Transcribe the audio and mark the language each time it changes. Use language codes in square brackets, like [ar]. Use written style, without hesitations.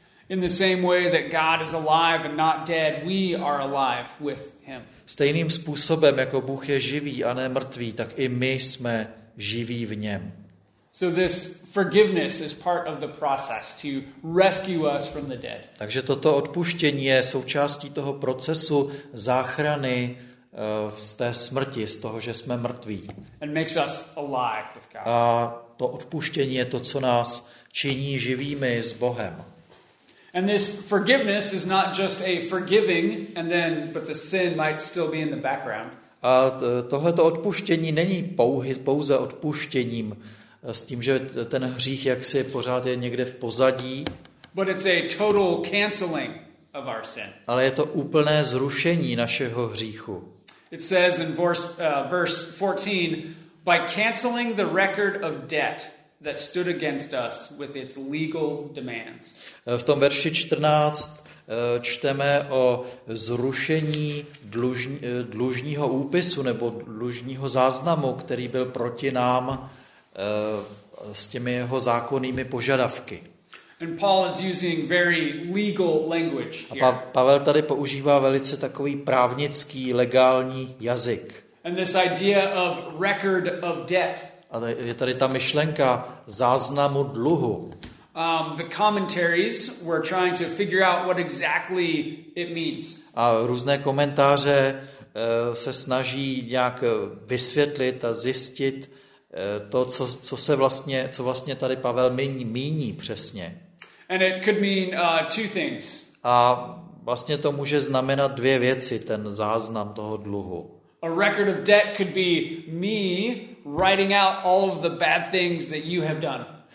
[en] In the same way that God is alive and not dead, we are alive with him. [cs] Stejným způsobem, jako Bůh je živý a ne mrtvý, tak i my jsme živí v něm. [en] So this forgiveness is part of the process to rescue us from the dead. [cs] Takže toto odpuštění je součástí toho procesu záchrany z té smrti, z toho, že jsme mrtví. [en] And makes us alive with God. [cs] A to odpuštění je to, co nás činí živými s Bohem. [en] And this forgiveness is not just a forgiving and then but the sin might still be in the background. [cs] A tohleto odpuštění není pouze odpuštěním s tím, že ten hřích jaksi pořád je někde v pozadí. [en] But it's a total canceling of our sin. [cs] Ale je to úplné zrušení našeho hříchu. [en] It says in verse 14, by canceling the record of debt that stood against us with its legal demands. [cs] V tom verši 14 čteme o zrušení dlužního úpisu nebo dlužního záznamu, který byl proti nám s těmi jeho zákonnými požadavky. [en] And Paul is using very legal language here. [cs] A Pavel tady používá velice takový právnický legální jazyk. [en] And this idea of record of debt. [cs] A je tady ta myšlenka záznamu dluhu. [en] The commentaries were trying to figure out what exactly it means. [cs] A různé komentáře se snaží nějak vysvětlit a zjistit to, co vlastně tady Pavel míní přesně. [en] And it could mean two things. [cs] A vlastně to může znamenat dvě věci, ten záznam toho dluhu. [en] A record of debt could be me writing out all of the bad things that you have done.